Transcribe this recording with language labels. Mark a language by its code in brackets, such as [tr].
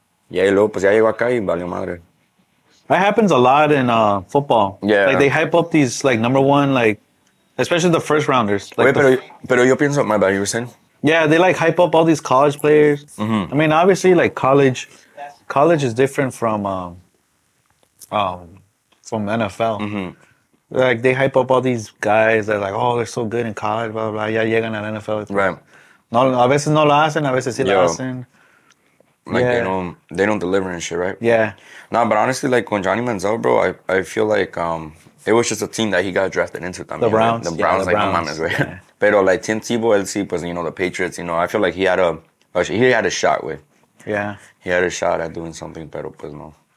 [es] Yeah, luego pues ya llegó acá y valió madre. [en] That happens a lot in football. Yeah. Like, they hype up these, like, number one, like, especially the first rounders. Like, wait, [es] pero yo pienso, [en] my bad, you were saying? Yeah, they, like, hype up all these college players. Mm-hmm. I mean, obviously, like, college is different from NFL. Mm-hmm. Like, they hype up all these guys that, like, oh, they're so good in college, blah, blah, blah. [es] Yeah, llegan al NFL. [en] Right. [es] No, a veces no lo hacen, a veces sí lo hacen. [en] Like, yeah. they don't deliver and shit, right? Yeah. Nah, but honestly, like, when Johnny Manziel, bro, I feel like it was just a team that he got drafted into. The Browns. Right? The Browns, yeah, the Browns. Like, [es] no mames, [en] right? Yeah. Pero, like, Tim Tebow, [es] él sí, pues, [en] you know, the Patriots, you know, I feel like he had a shot, with. Yeah. He had a shot at doing something, [es] pero, pues, no.